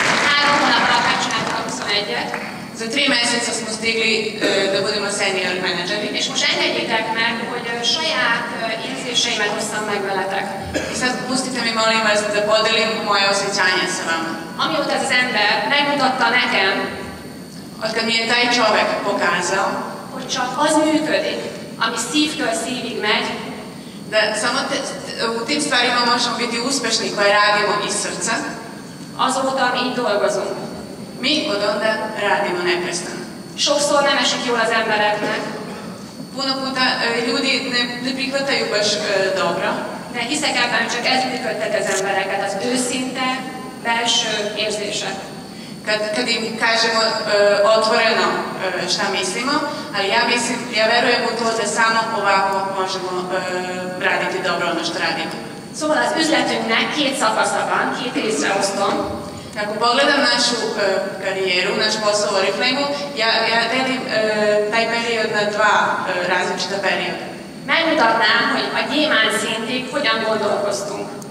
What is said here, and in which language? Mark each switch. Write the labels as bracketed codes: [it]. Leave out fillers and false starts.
[hu] Három hónap alatt megcsináltam a 21-et. [sr] Za 3 meseca smo stigli da budemo senior menedžeri. [hu] És most engedjétek meg, hogy saját érzéseimet hoztam meg veletek. [sr] I sad pustite mi, molim vas, da podelim moje osjećanje sa vama. [hu] Amióta az ember megmutatta nekem, [sr] odkad mi je taj čovek pokazao, [hu] hogy csak az működik, ami szívtől szívig megy, [sr] da samo u tim stvarima možemo biti uspešni koje radimo iz srca, [hu] azóta mi dolgozunk. [sr] Mi od onda radimo neprestano. [hu] Sokszor nem esik jól az embereknek. [sr] Puno puta ljudi ne prihvataju baš dobro. [hu] De hiszek ebben, hogy csak ez működtet az embereket, az őszinte, belső érzések. [sr] Kad im kažemo otvoreno šta mislimo, ali ja mislim, ja verujem u to da samo ovako možemo raditi dobro ono što radimo. [hu] Szóval az üzletünknek két szakasza van, két részre osztom. [sr] Ha pogledam našu karijeru, naš posao Oriflame-u, ja delim taj period na dva različita perioda. [hu] Megmutatnám, hogy a gyémán szintig hogyan gondolkoztunk.